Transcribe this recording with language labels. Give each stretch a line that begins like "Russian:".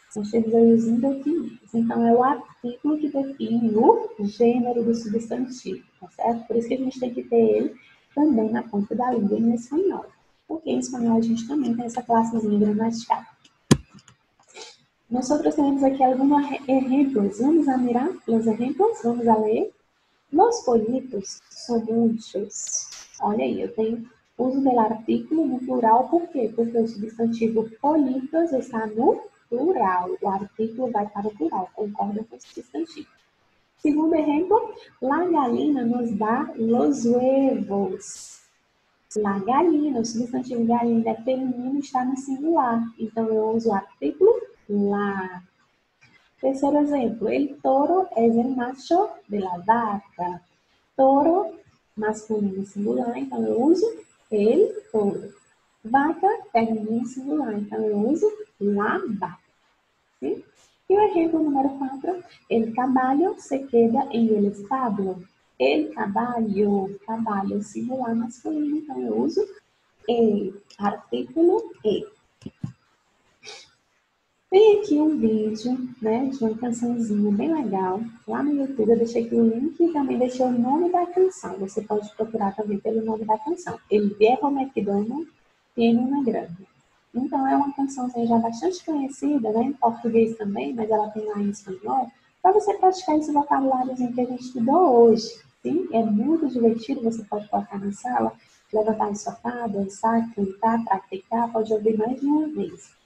Portuguese: São os indefinidos. Então, é o artigo que define o gênero do substantivo. Certo? Por isso que a gente tem que ter ele também na ponta da língua em espanhol. Porque em espanhol a gente também tem essa classezinha gramatical. Nós trouxemos aqui alguns exemplos. Vamos admirar os exemplos? Vamos a ler?
Spanish: Los pollitos son muchos.
Portuguese: Olha aí, eu tenho uso
Spanish: del artículo
Portuguese: no plural. Por quê? Porque o substantivo pollitos está no plural. O artículo vai para o plural. Concorda com o substantivo. Segundo exemplo,
Spanish: la gallina nos dá los huevos.
Portuguese: La gallina, o substantivo gallina é feminino, está no singular. Então eu uso o artículo la. Terceiro exemplo,
Spanish: el toro es el macho de la vaca.
Portuguese: Toro, masculino singular, então eu uso el toro. Vaca, feminino singular, então eu uso la vaca. Sim? E o exemplo número 4,
Spanish: el caballo se queda en el establo.
Portuguese: El caballo, caballo singular masculino, então eu uso el, artículo e. Tem aqui um vídeo, né, de uma cançãozinha bem legal, lá no YouTube, eu deixei aqui o link e também deixei o nome da canção. Você pode procurar também pelo nome da canção.
Spanish: El viejo McDonald tiene una granja.
Portuguese: Então, é uma canção já bastante conhecida, né? Em português também, mas ela tem lá em espanhol, para você praticar esse vocabulário que a gente estudou hoje. Sim? É muito divertido, você pode colocar na sala, levantar no sofá, dançar, cantar, praticar, pode ouvir mais de uma vez.